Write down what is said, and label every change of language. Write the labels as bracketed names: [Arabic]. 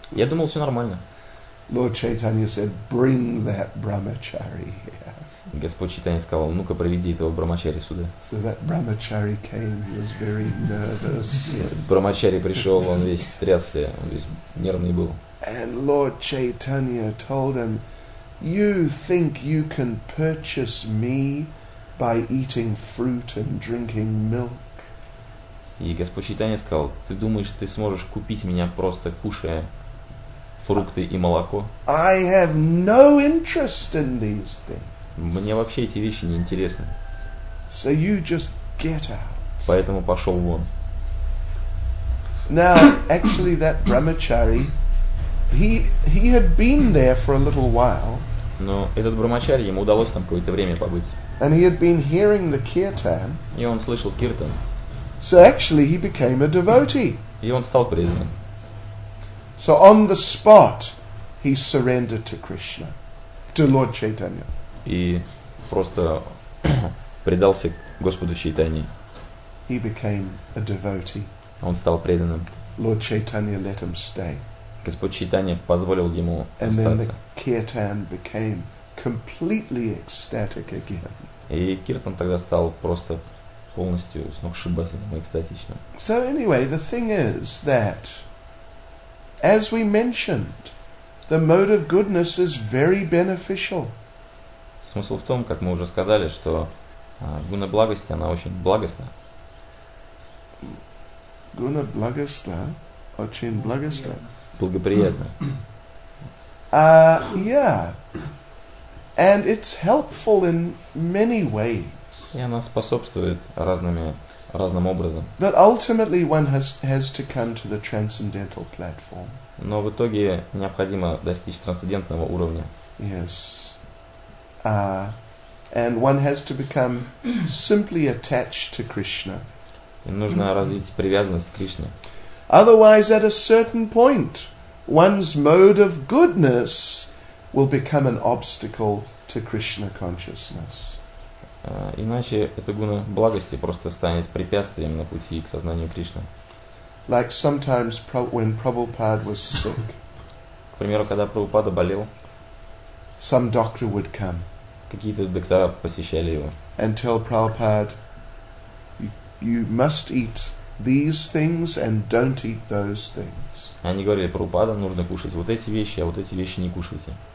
[Russian] Я думал, все нормально. [English] Lord Chaitanya said, "Bring that brahmachari here." [Russian] Господь Чайтанья сказал, ну-ка приведи этого брахмачари сюда. [English] So that brahmachari came. He was very nervous. [Russian] Брахмачари пришел, он весь трясся, он весь нервный был. [English] And Lord Chaitanya told him, "You think you can purchase me by eating fruit and drinking milk?" [Russian] И Господь Чайтанья сказал, ты думаешь, ты сможешь купить меня просто кушая? Фрукты и молоко. [English] I have no interest in these things. [Russian] Мне вообще эти вещи не интересны. [English] So you just get out. [Russian] Поэтому пошел вон. [English] Now, actually, that brahmachari, he had been there for a little while. [Russian] Но этот брахмачари, ему удалось там какое-то время побыть. [English] And he had been hearing the kirtan. [Russian] И он слышал киртан. [English] So actually, he became a devotee. [Russian] И он стал преданным. [English] So on the spot, he surrendered to Krishna, to Lord Chaitanya. [Russian] И просто предался Господу Чайтанье. [English] He became a devotee. [Russian] Он стал преданным. [English] Lord Chaitanya let him stay. [Russian] Господь Чайтанья позволил ему остаться. [English] And then the kirtan became completely ecstatic again. [Russian] И киртан тогда стал просто полностью сногсшибательным и экстатичным. [English] So anyway, the thing is that, as we mentioned, the mode of goodness is very beneficial. [Russian] Смысл в том, как мы уже сказали, что гуна благости она очень благостна. Гуна благостна, очень благостна. Благоприятна. [English] Yeah. And it's helpful in many ways. [Russian] И она способствует разным образом. [English] But ultimately, one has to come to the transcendental platform. [Russian] Но в итоге необходимо достичь трансцендентного уровня. [English] Yes. And one has to become simply attached to Krishna. [Russian] И нужно развить привязанность к Кришне. [English] Otherwise, at a certain point, one's mode of goodness will become an obstacle to Krishna consciousness. [Russian] Иначе эта гуна благости просто станет препятствием на пути к сознанию Кришны. [English] Like sometimes when Prabhupada was sick. [Russian] К примеру, когда Прабхупада болел. [English] Some doctor would come. [Russian] Какие-то доктора посещали его. [English] And tell Prabhupada, you must eat these things and don't eat those things. [Russian] Они говорили, Прабхупада, нужно кушать вот эти вещи, а вот эти вещи не кушайте.